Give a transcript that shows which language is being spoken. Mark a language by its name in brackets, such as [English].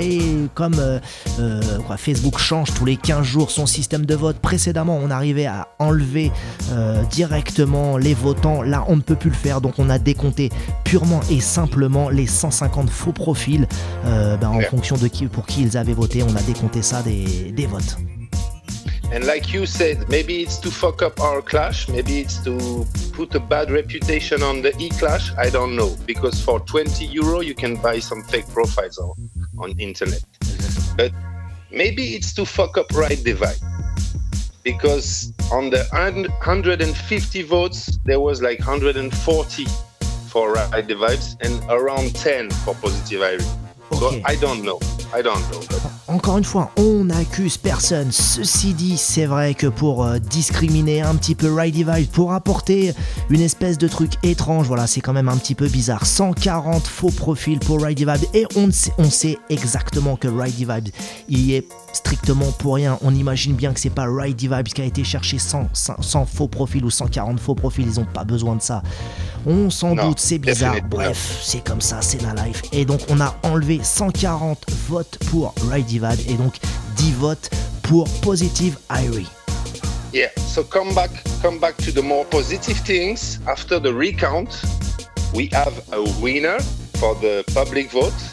[French] Et comme Facebook change tous les 15 jours son système de vote, précédemment on arrivait à enlever directement les votants. Là on ne peut plus le faire, donc on a décompté purement et simplement les 150 faux profils fonction de qui, pour qui ils avaient voté. On a décompté ça des votes. [English] And like you said, maybe it's to fuck up our clash, maybe it's to put a bad reputation on the e-clash, I don't know. Because for 20 euro you can buy some fake profiles on internet. But maybe it's to fuck up Right Divide. Because on the 150 votes, there was like 140 for Right Divide and around 10 for Positive Irie. Okay. So I don't know. I don't know. [French] Encore une fois, on n'accuse personne. Ceci dit, c'est vrai que pour discriminer un petit peu Right Divide, pour apporter une espèce de truc étrange, voilà, c'est quand même un petit peu bizarre. 140 faux profils pour Right Divide, et on sait exactement que Right Divide y est strictement pour rien. On imagine bien que c'est pas Right Divide qui a été cherché 100 faux profils ou 140 faux profils. Ils ont pas besoin de ça. On s'en doute, c'est bizarre. Bref, c'est comme ça, c'est la life. Et donc, on a enlevé 140 votes pour Right Divide et donc 10 votes pour Positive Irie. [English] Yeah, so come back to the more positive things. After the recount, we have a winner for the public vote.